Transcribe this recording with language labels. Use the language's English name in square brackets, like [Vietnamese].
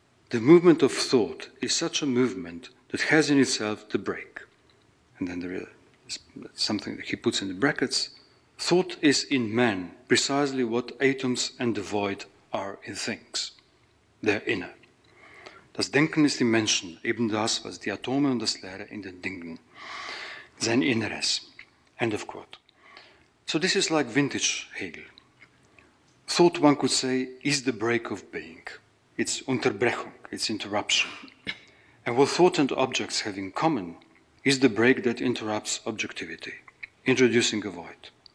[English] The movement of thought is such a movement that has in itself the break. And then there is something that he puts in the brackets. Thought is in man precisely what atoms and the void are in things, their inner. [German] Das Denken ist im Menschen, eben das, was die Atome und das Leere in den Dingen, sein Inneres. [English] End of quote. So this is like vintage Hegel. Thought, one could say, is the break of being. It's Unterbrechung, it's interruption. And what thought and objects have in common is the break that interrupts objectivity, introducing a void.